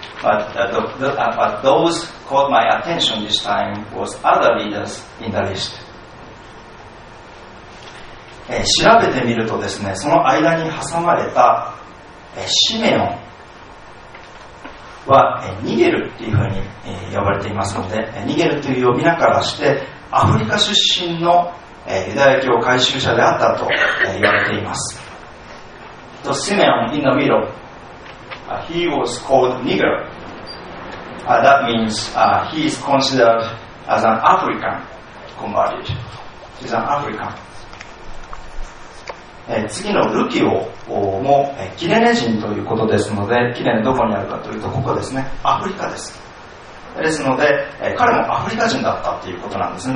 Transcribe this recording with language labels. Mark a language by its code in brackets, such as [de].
[en] But, but those caught my attention this time was other leaders in the list. [ja] 調べてみるとですね、その間に挟まれたシメオンは逃げるっていうふうに呼ばれていますので、逃げるという呼び名からしてアフリカ出身のユダヤ教改宗者であったと言われています。 [en] とシメオン in the middle、he was called Niger、that means、he is considered as an African converted. He's an African. [ja] 次のルキオもキレネ人ということですので、キレネどこにあるかというとここですね、アフリカです。ですので、彼もアフリカ人だったということなんですね。